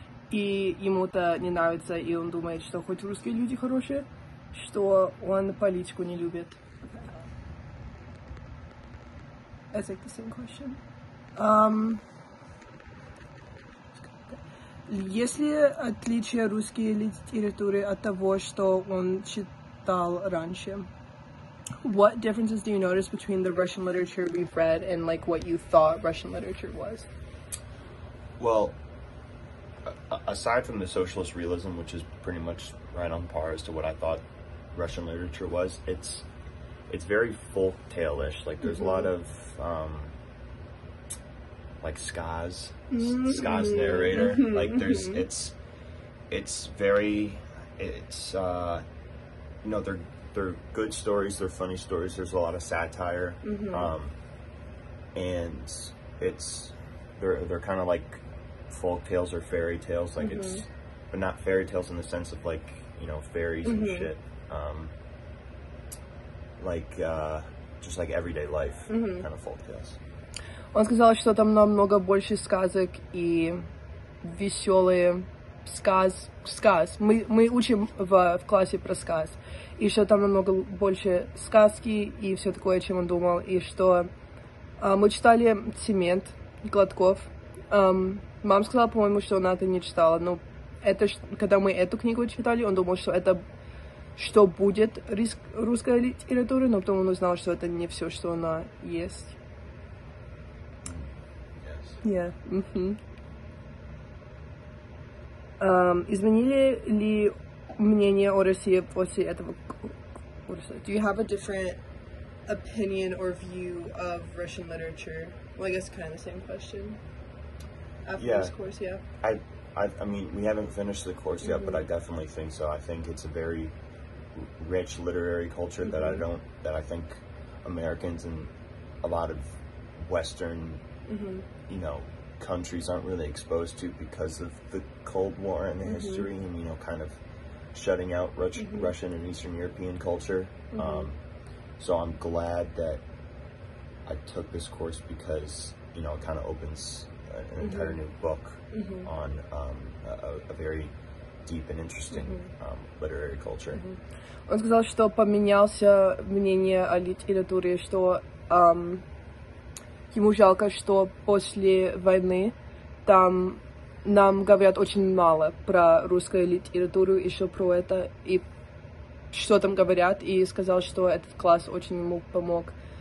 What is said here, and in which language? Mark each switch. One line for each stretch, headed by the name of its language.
Russian: И ему-то не нравится, и он думает, что хоть русские люди хорошие, что он политику не любит.
English: It's like the same question.
Russian: Есть ли отличие русской литературы от того, что он читает раньше?
English: What differences do you notice between the Russian literature we've read and like what you thought Russian literature was? Well, aside from the socialist realism, which is pretty much right on par as to what I thought Russian literature was, it's very folk tale-ish. Like there's mm-hmm. a lot of like skaz, mm-hmm. skaz narrator. Mm-hmm. Like there's mm-hmm. it's very you know, they're good stories, they're funny stories, there's a lot of satire, mm-hmm. And it's, they're kind of like folk tales or fairy tales, like mm-hmm. but not fairy tales in the sense of like, you know, fairies mm-hmm. and shit, just like everyday life, mm-hmm. kind of folk tales.
Russian: Он сказал, что там намного больше сказок и веселые сказ. Мы учим в классе про сказ. И что там намного больше сказки и все такое, чем он думал. И что мы читали «Цемент» Гладков. Мама сказала, по-моему, что она это не читала. Но это, когда мы эту книгу читали, он думал, что это что будет русская литература, но потом он узнал, что это не все, что она есть.
English: Yes. Yeah. Mm-hmm.
Russian: Изменили ли мнение о России после этого курса?
English: Do you have a different opinion or view of Russian literature? Well, I guess kind of the same question. After yeah. this course, yeah. I mean, we haven't finished the course mm-hmm. yet, but I definitely think so. I think it's a very rich literary culture mm-hmm. That I think Americans and a lot of Western, mm-hmm. you know, countries aren't really exposed to because of the Cold War and the mm-hmm. history and, you know, kind of shutting out mm-hmm. Russian and Eastern European culture. Mm-hmm. So I'm glad that I took this course because, you know, it kind of opens an mm-hmm. entire new book mm-hmm. on a very deep and interesting mm-hmm. Literary culture. Mm-hmm.
Russian: Он сказал, что поменялся мнение о литературе, что ему жалко, что после войны там нам говорят очень мало про русскую литературу, еще про это, и что там говорят, и сказал, что этот класс очень ему помог.